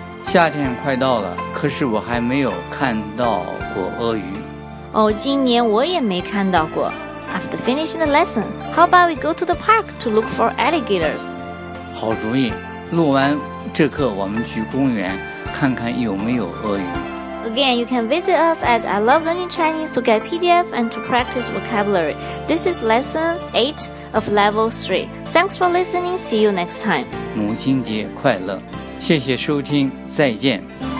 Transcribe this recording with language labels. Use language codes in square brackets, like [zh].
[zh] 夏天快到了，可是我还没有看到过鳄鱼。哦，今年我也没看到过。 [en] After finishing the lesson, how about we go to the park to look for alligators? [zh] 好主意，录完这课我们去公园看看有没有鳄鱼。 [en] Again, you can visit us at I Love Learning Chinese to get PDF and to practice vocabulary. This is Lesson 8 of Level 3. Thanks for listening. See you next time. [zh] 母亲节快乐。谢谢收听。再见。